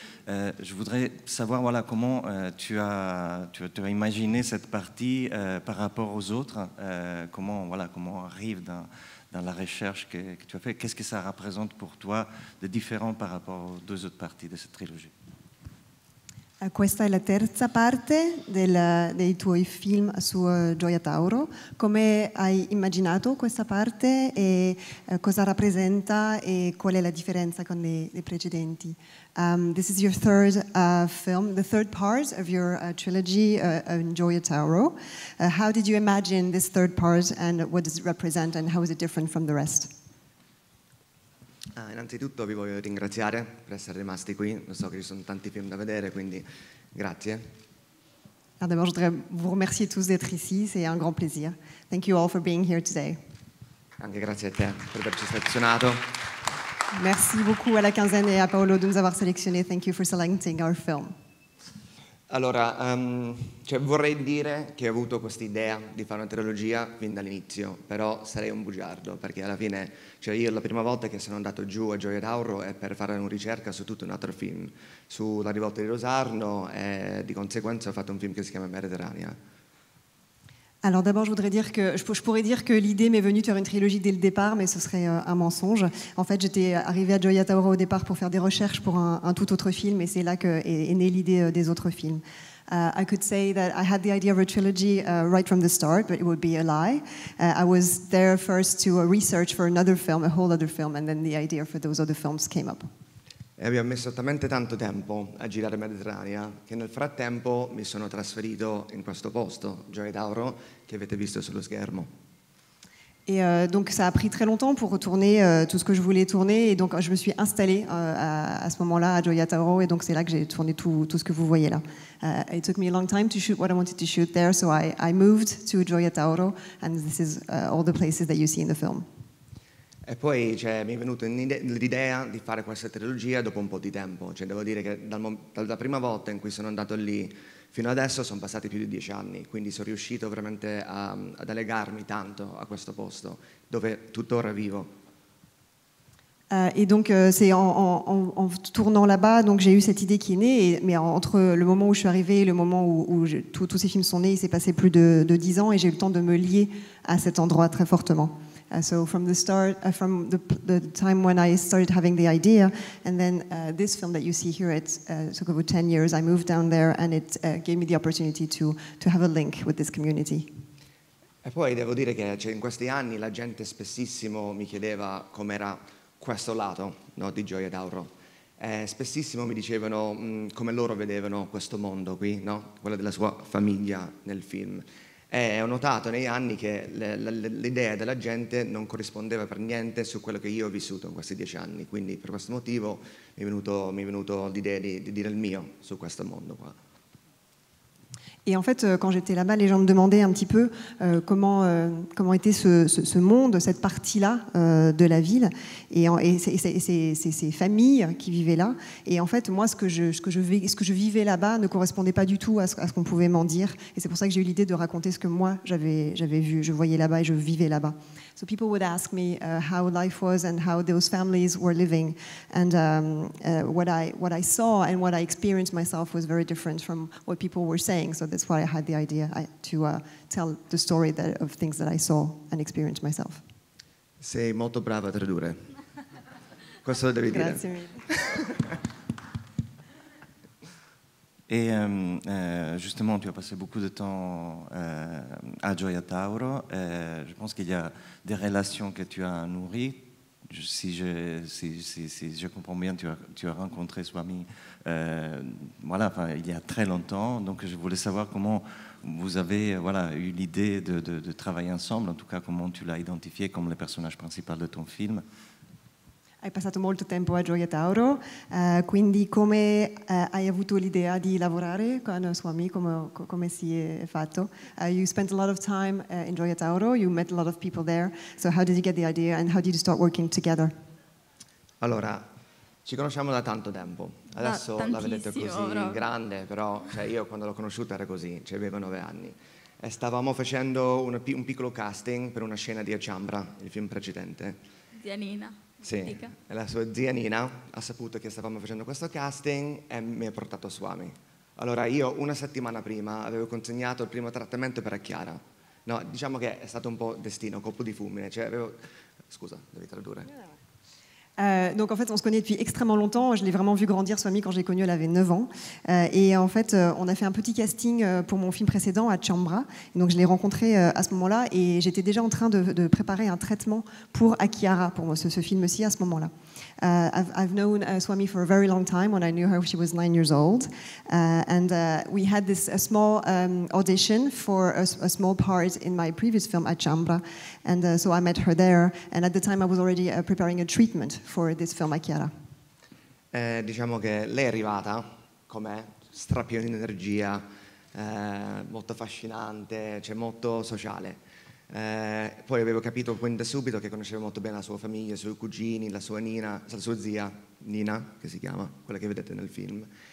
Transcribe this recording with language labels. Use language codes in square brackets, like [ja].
[fr] Je voudrais savoir comment tu as imaginé cette partie par rapport aux autres. Comment on arrive dans la recherche que tu as fait, qu'est-ce que ça représente pour toi de différent par rapport aux deux autres parties de cette trilogie? [it] Questa è la terza parte dei tuoi film su Gioia Tauro. Come hai immaginato questa parte e cosa rappresenta e qual è la differenza con le precedenti? [en] This is your third film, the third part of your trilogy on Gioia Tauro. How did you imagine this third part and what does it represent and how is it different from the rest? [it] Innanzitutto vi voglio ringraziare per essere rimasti qui. Lo so che ci sono tanti film da vedere, quindi grazie. [fr] D'abord, je voudrais vous remercier tous d'être ici. C'est un grand plaisir. [en] Thank you all for being here today. [it] Anche grazie a te per averci selezionato. [fr] Merci beaucoup à la quinzaine et à Paolo de nous avoir sélectionné. [en] Thank you for selecting our film. [it] Allora, vorrei dire che ho avuto questa idea di fare una trilogia fin dall'inizio, però sarei un bugiardo, perché alla fine, cioè io la prima volta che sono andato giù a Gioia Tauro è per fare una ricerca su tutto un altro film, sulla rivolta di Rosarno, e di conseguenza ho fatto un film che si chiama Mediterranea. [fr] Alors d'abord, je voudrais dire que je pourrais dire que l'idée m'est venue de faire une trilogie dès le départ, mais ce serait un mensonge. En fait, j'étais arrivée à Gioia Tauro au départ pour faire des recherches pour un tout autre film, et c'est là qu'est née l'idée des autres films. [en] I could say that I had the idea of a trilogy right from the start, but it would be a lie. I was there first to research for another film, a whole other film, and then the idea for those other films came up. [it] E abbiamo messo talmente tanto tempo a girare Mediterranea che nel frattempo mi sono trasferito in questo posto, Gioia Tauro, che avete visto sullo schermo. E quindi [fr] ça a pris très longtemps pour retourner tout ce que je voulais tourner et donc je me suis installé à ce moment-là à Gioia Tauro et donc c'est là que j'ai tourné tout ce que vous voyez là. [en] It took me a long time to shoot what I wanted to shoot there, so I moved to Gioia Tauro and this is all the places that you see in the film. [it] E poi cioè, mi è venuta l'idea di fare questa trilogia dopo un po' di tempo. Cioè, devo dire che dalla prima volta in cui sono andato lì fino adesso sono passati più di 10 anni, quindi sono riuscito veramente ad allegarmi tanto a questo posto dove tuttora vivo. [fr] Et donc c'est en tournant là-bas donc j'ai eu cette idée qui est née, mais entre le moment où je suis arrivée et le moment où tous ces films sont nés, il s'est passé plus de 10 ans et j'ai eu le temps de me lier à cet endroit très fortement. [en] So from the start, from the time when I started having the idea, and then this film that you see here, it took about 10 years, I moved down there and it gave me the opportunity to have a link with this community. [it] E poi devo dire che cioè, in questi anni la gente spessissimo mi chiedeva com'era questo lato, no, di Gioia Tauro. Spessissimo mi dicevano come loro vedevano questo mondo qui, no? Quello della sua famiglia nel film. E ho notato negli anni che l'idea della gente non corrispondeva per niente su quello che io ho vissuto in questi 10 anni, quindi per questo motivo mi è venuto l'idea di dire il mio su questo mondo qua. [fr] Et en fait, quand j'étais là-bas, les gens me demandaient un petit peu comment était ce monde, cette partie-là de la ville, et ces familles qui vivaient là. Et en fait, moi, ce que je vivais là-bas ne correspondait pas du tout à ce qu'on pouvait m'en dire. Et c'est pour ça que j'ai eu l'idée de raconter ce que moi, j'avais vu, je voyais là-bas et je vivais là-bas. [en] So people would ask me how life was and how those families were living, and what I saw and what I experienced myself was very different from what people were saying. So that's why I had the idea to tell the story of things that I saw and experienced myself. [it] Sei molto brava a tradurre. Questo lo devi Grazie dire. Mille. [fr] Et justement, tu as passé beaucoup de temps à Gioia Tauro. Je pense qu'il y a des relations que tu as nourries. Si je comprends bien, tu as rencontré Swami il y a très longtemps. Donc, je voulais savoir comment vous avez eu l'idée de travailler ensemble. En tout cas, comment tu l'as identifié comme le personnage principal de ton film. [it] Hai passato molto tempo a Gioia Tauro, quindi come hai avuto l'idea di lavorare con Swami, come si è fatto? [en] You spent a lot of time in Gioia Tauro, you met a lot of people there, so how did you get the idea and how did you start working together? [it] Allora, ci conosciamo da tanto tempo, adesso la vedete così però. Grande, però cioè io quando l'ho conosciuta era così, cioè avevo 9 anni. E stavamo facendo un piccolo casting per una scena di Acciambra, il film precedente. Di Anina. Sì, e la sua zia Nina ha saputo che stavamo facendo questo casting e mi ha portato a Swami. Allora io una settimana prima avevo consegnato il primo trattamento per Chiara. No, diciamo che è stato un po' destino, colpo di fulmine. Cioè avevo... Scusa, devi tradurre. [fr] Donc en fait on se connaît depuis extrêmement longtemps, je l'ai vraiment vu grandir Swami quand j'ai connu, elle avait 9 ans, et en fait on a fait un petit casting pour mon film précédent à Chambra, donc je l'ai rencontré à ce moment-là et j'étais déjà en train de préparer un traitement pour Akihara, pour ce film-ci à ce moment-là. [en] I've known Swami for a very long time. When I knew her, she was 9 years old. We had this small audition for a small part in my previous film, Acciambra. So I met her there. And at the time, I was already preparing a treatment for this film, Akihara. [it] Diciamo che lei è arrivata, com'è, strapiena di energia, molto affascinante, cioè molto sociale. Poi avevo capito quindi da subito che conosceva molto bene la sua famiglia, i suoi cugini, la sua Nina, la sua zia Nina, che si chiama, quella che vedete nel film.